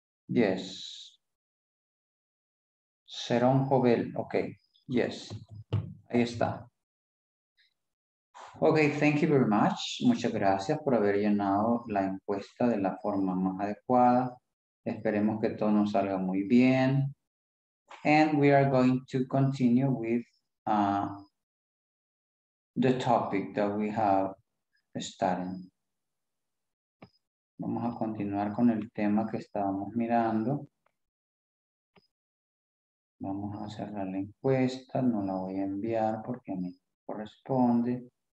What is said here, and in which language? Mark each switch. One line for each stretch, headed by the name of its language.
English: Yes. Serón Jovel, ok, yes.
Spanish: Ahí está.
English: Ok, thank you very much.
Spanish: Muchas gracias por haber llenado la encuesta de la forma más adecuada. Esperemos que todo nos salga muy bien.
English: And we are going to continue with the topic that we have started.
Spanish: Vamos a continuar con el tema que estábamos mirando. Vamos a cerrar la encuesta. No la voy a enviar porque me corresponde.